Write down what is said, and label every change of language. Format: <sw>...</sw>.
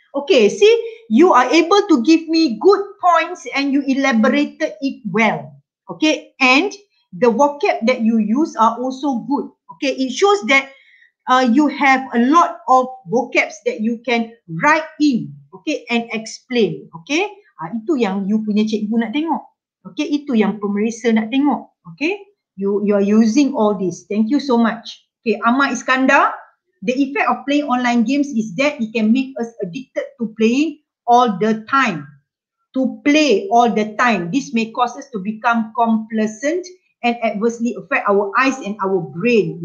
<en>Okay, see, you are able to give me good points and you elaborated it well. Okay, and the vocab that you use are also good. Okay, it shows that you have a lot of vocabs that you can write in, okay, and explain, okay.</en> <ms>Itu yang you punya cikgu nak tengok, okay. Itu yang pemeriksa nak tengok, okay.</ms> <en>You are using all this. Thank you so much. Okay, Ahmad Iskandar, the effect of playing online games is that it can make us addicted to playing all the time. To play all the time. This may cause us to become complacent and adversely affect our eyes and our brain.</en>